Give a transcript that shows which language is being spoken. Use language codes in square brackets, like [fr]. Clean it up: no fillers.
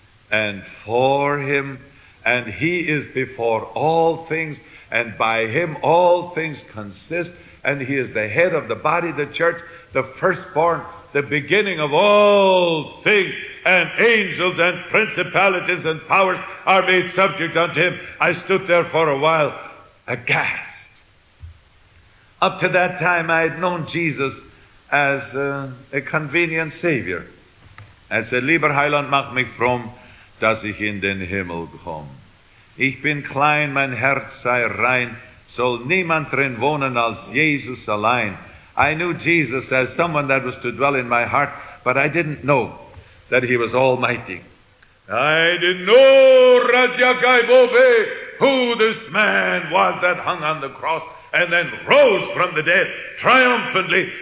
[en] and for Him, and He is before all things, and by Him all things consist, and He is the head of the body, the church, the firstborn, the beginning of all things, and angels and principalities and powers are made subject unto Him. I stood there for a while, aghast. Up to that time, I had known Jesus as a convenient Savior. I said, [de] Lieber Heiland, mach mich fromm, dass ich in den Himmel komm. Ich bin klein, mein Herz sei rein, soll niemand drin wohnen als Jesus allein. [en] I knew Jesus as someone that was to dwell in my heart, but I didn't know that He was almighty. I didn't know, Raja Gaibove, who this man was that hung on the cross and then rose from the dead triumphantly.